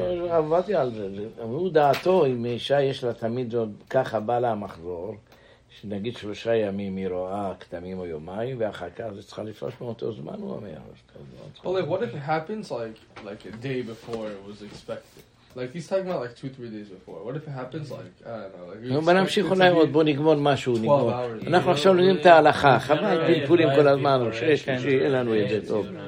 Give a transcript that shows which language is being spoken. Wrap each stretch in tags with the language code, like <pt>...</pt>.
<he>עבדתי על זה, והוא דעתו, אם אישה יש לה תמיד עוד ככה בא לה המחזור, שנגיד 3 ימים היא רואה כתמים או יומיים, ואחר כך זה צריכה לפרוש מאותו זמן, הוא אומר.</he> <en>But like, what if it happens like a day before it was expected? Like, he's talking about like 2-3 days before. What if it happens like, I don't know.</en> <he>אבל נמשיך אולי עוד, בוא נגמור משהו, נגמור. אנחנו עכשיו לומדים את ההלכה, חבל פלפולים כל הזמן, שיש כשי, אין לנו את זה, טוב.</he>